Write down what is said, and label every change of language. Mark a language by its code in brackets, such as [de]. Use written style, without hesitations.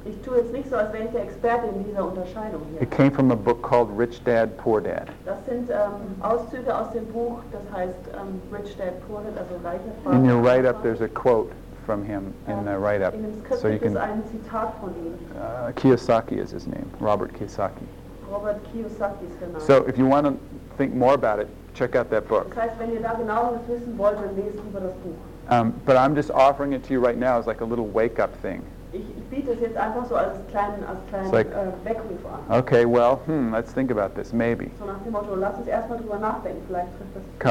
[de] Ich tue jetzt nicht so, als wäre ich der Experte in dieser Unterscheidung hier. [en] It came from a book called Rich Dad, Poor Dad. [de] Das sind Auszüge aus dem Buch, das heißt Rich Dad, Poor Dad, also reicher Vater. [en] In your write-up, there's a quote from him in the write-up. [de] In dem Skript [en] so you can, [de] ein Zitat von ihm. [en] Kiyosaki is his name, Robert Kiyosaki. [de] Robert Kiyosaki ist genannt. [en] So if you want to think more about it, check out that book. [de] Das heißt, wenn ihr da genaueres wissen wollt, dann lest über das Buch. [en] But I'm just offering it to you right now as like a little wake-up thing. [de] Ich biete es jetzt einfach so als kleinen Weckruf an. [en] Okay, well, let's think about this, maybe. [de] So nach dem Motto, lass uns erstmal drüber nachdenken, vielleicht trifft das.